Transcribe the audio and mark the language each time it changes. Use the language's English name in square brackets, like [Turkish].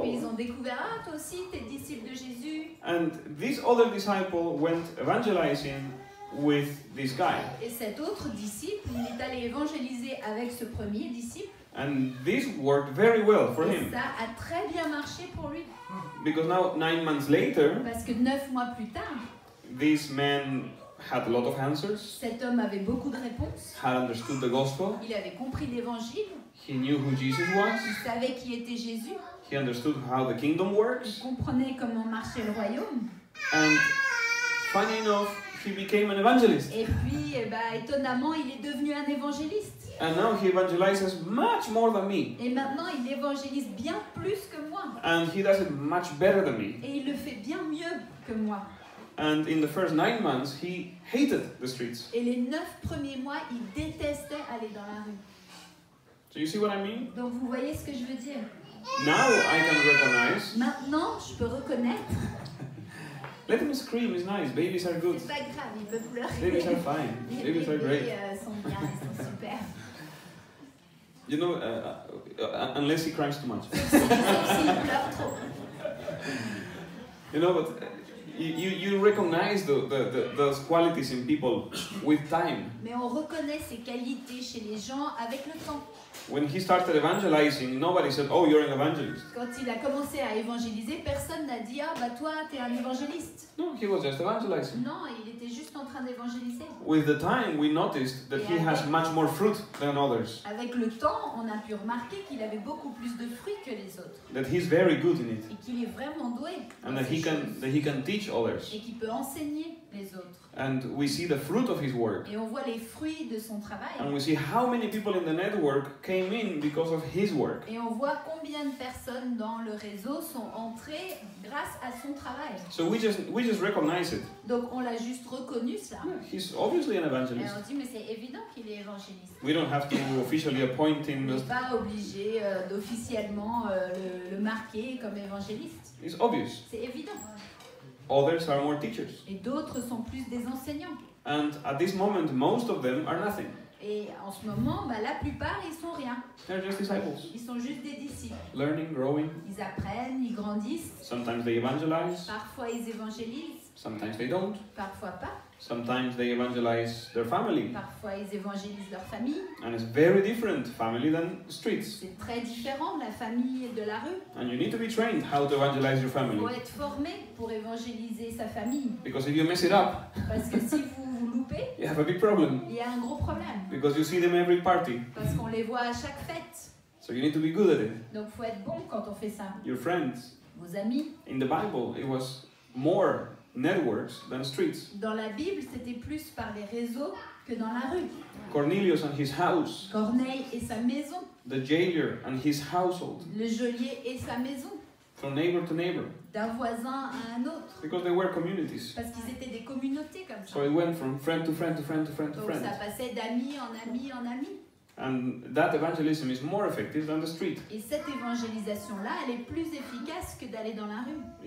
[French] puis ils ont découvert, ah, toi aussi, t'es disciple de Jésus. [English] And this other disciple went evangelizing with this guy. [French] Et cet autre disciple, il est allé évangéliser avec ce premier disciple. [English] And this worked very well for [French] et [English] him. [French] Ça a très bien marché pour lui. [English] Because now 9 months later, [French] parce que 9 mois plus tard, [English] this man had a lot of answers. [French] Cet homme avait beaucoup de réponses. [English] Had understood the gospel. [French] Il avait compris l'évangile. [English] He knew who Jesus was. [French] Il savait qui était Jésus. [English] He understood how the kingdom works. [French] Il comprenait comment marchait le royaume. [English] And funny enough, he became an evangelist. [French] Et puis, eh ben, étonnamment, il est devenu un évangéliste. [English] And now he evangelizes much more than me. [French] Et maintenant, il évangélise bien plus que moi. [English] And he does it much better than me. [French] Et il le fait bien mieux que moi. [English] And in the first 9 months, he hated the streets. [French] Et les 9 premiers mois, il détestait aller dans la rue. [English] Do you see what I mean? [French] Donc vous voyez ce que je veux dire. [English] Now I can recognize. [French] Maintenant, je peux reconnaître. [English] Let them scream, it's nice. Babies are good. [French] C'est pas grave, ils peuvent pleurer. [English] Babies are fine. Babies are great. [French] Les bébés sont bien, ils sont super. [English] You know, unless he cries too much. [French] S'il pleure trop. [English] You know, but you recognize those qualities in people with time. [French] Mais on reconnaît ces qualités chez les gens avec le temps. [English] When he started evangelizing, nobody said, oh, you're an evangelist. [French] Quand il a commencé à évangéliser, personne n'a dit, ah, bah toi, t'es un évangéliste. [English] No, he was just evangelizing. [French] Non, il était juste en train d'évangéliser. [English] With the time, we noticed that he has much more fruit than others. [French] Avec le temps, on a pu remarquer qu'il avait beaucoup plus de fruits que les autres. [English] That he's very good in it. [French] Et qu'il est vraiment doué. [English] And that he can teach others. [French] Et qu'il peut enseigner. [English] And we see the fruit of his work. [French] Et on voit les fruits de son travail. [English] And we see how many people in the network came in because of his work. [French] Et on voit combien de personnes dans le réseau sont entrées grâce à son travail. [English] So we just recognize it. [French] Donc on l'a juste reconnu ça. [English] Yeah, he's obviously an evangelist. [French] Et on dit, mais c'est évident qu'il est évangéliste. [English] We don't have to officially appoint him. [French] On n'est pas obligé d'officiellement le marquer comme évangéliste. [English] It's obvious. [French] C'est évident. [English] Others are more teachers. [French] Et d'autres sont plus des enseignants. [English] And at this moment, most of them are nothing. [French] Et en ce moment, bah, la plupart, ils sont rien. [English] They're just disciples. [French] Ils sont juste des disciples. [English] Learning, growing. [French] Ils apprennent, ils grandissent. [English] Sometimes they evangelize. [French] Parfois, ils évangélisent. [English] Sometimes they don't. [French] Parfois pas. [English] Sometimes they evangelize their family. [French] Parfois, ils évangélisent leur famille. [English] And it's very different family than streets. [French] C'est très différent la famille de la rue. [English] And you need to be trained how to evangelize your family. [French] Il faut être formé pour évangéliser sa famille. [English] Because if you mess it up. [French] Parce que si vous vous loupez. [English] You have a big problem. [French] Il y a un gros problème. [English] Because you see them every party. [French] Parce qu'on les voit à chaque fête. [English] So you need to be good at it. [French] Donc faut être bon quand on fait ça. [English] Your friends. [French] Vos amis. [English] In the Bible, it was more networks than streets. [French] Dans la Bible, c'était plus par les réseaux que dans la rue. [English] Cornelius and his house. [French] Corneille et sa maison. [English] The jailer and his household. [French] Le geôlier et sa maison. [English] From neighbor to neighbor. [French] D'un voisin à un autre. [English] Because they were communities. [French] Parce qu'ils étaient des communautés comme ça. [English] So it went from friend to friend to friend to friend to friend. [French] Donc ça passait d'ami en ami en ami. [English] And that evangelism is more effective than the street. [French] Et cette évangélisation-là, elle est plus efficace que d'aller dans la rue.